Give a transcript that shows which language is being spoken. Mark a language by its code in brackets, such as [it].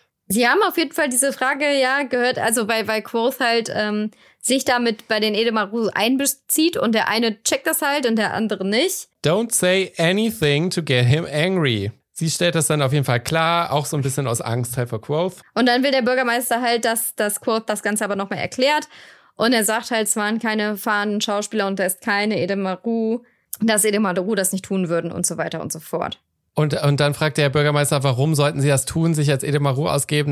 [de] Sie haben auf jeden Fall diese Frage ja gehört, also weil Quoth halt sich damit bei den Edemaru einbezieht und der eine checkt das halt und der andere nicht. [en] Don't say anything to get him angry, [de] Sie stellt das dann auf jeden Fall klar, auch so ein bisschen aus Angst halt vor Quoth. Und dann will der Bürgermeister halt, dass Quoth das Ganze aber nochmal erklärt. Und er sagt halt, es waren keine fahrenden Schauspieler und da ist keine Edemaru, dass Edemaru das nicht tun würden und so weiter und so fort. Und dann fragt der Bürgermeister, warum sollten sie das tun, sich als Edemaru ausgeben?